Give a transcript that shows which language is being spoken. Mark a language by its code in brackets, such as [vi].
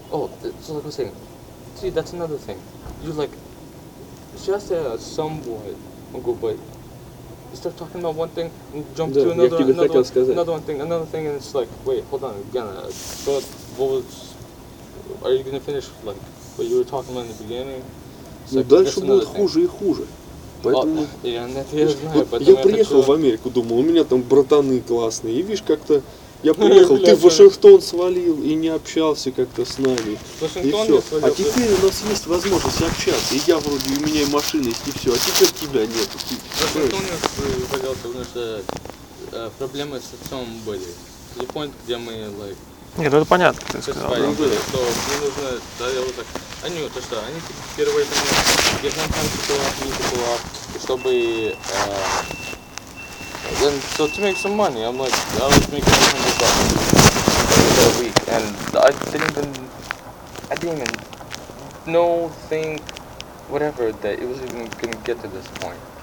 [en] Oh, so like I was saying, see, that's another thing. You're like, just somewhat, go, but you start talking about one thing and jump to another thing, and it's like, wait, hold on, are you gonna finish like what you were talking about in the beginning? [ru] Ну like, дальше будет хуже и хуже. Поэтому я приехал в Америку, думал, у меня там братаны классные, и видишь как-то. Я приехал, ты в Вашингтон свалил и не общался как-то с нами. И все. А теперь у нас есть возможность общаться. И я вроде, у меня и машина есть, и все. А теперь тебя нет. В Вашингтоне свалил, потому что проблемы с отцом были. И понят, где мы, like... Нет, это понятно, как ты сказал. Мне нужно, да, я вот так... А не, то что, они первые там... Я там купила, чтобы... [en] And so to make some money, I'm like, I was making $100 a week, and I didn't even know, think, whatever, that it was even gonna get to this point.